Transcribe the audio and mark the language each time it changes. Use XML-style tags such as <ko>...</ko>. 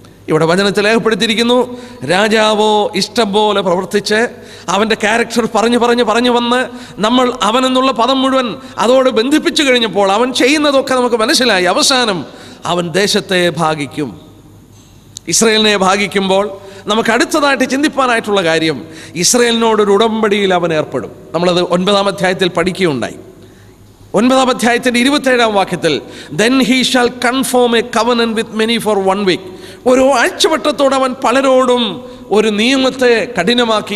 <ml>ഇവിടെ വചനത്തിൽ ഏർപ്പെടുത്തിയിരിക്കുന്നു, രാജാവോ ഇഷ്ടം പോലെ പ്രവർത്തിച്ച് അവൻ്റെ ക്യാരക്ടർ പറഞ്ഞു വന്ന് നമ്മൾ അവനെന്നുള്ള പദം മുഴുവൻ അതോട് ബന്ധിപ്പിച്ചു കഴിഞ്ഞപ്പോൾ അവൻ ചെയ്യുന്നതൊക്കെ നമുക്ക് മനസ്സിലായി. അവസാനം അവൻ ദേശത്തെ ഭാഗിക്കും. ഇസ്രായേലിനെ ഭാഗിക്കുമ്പോൾ നമുക്ക് അടുത്തതായിട്ട് ചിന്തിപ്പാനായിട്ടുള്ള കാര്യം, ഇസ്രായേലിനോടൊരു ഉടമ്പടിയിൽ അവൻ ഏർപ്പെടും. നമ്മളത് 9-ാം അധ്യായത്തിൽ പഠിക്കുകയുണ്ടായി. 9-ാം അധ്യായത്തിൻ്റെ 27-ാം വാക്യത്തിൽ</ml> <en>Then he shall confirm a covenant with many for 1 week.</en> <ml>ഒരു ആഴ്ചവട്ടത്തോടെ അവൻ പലരോടും ഒരു നിയമത്തെ കഠിനമാക്കി.</ml>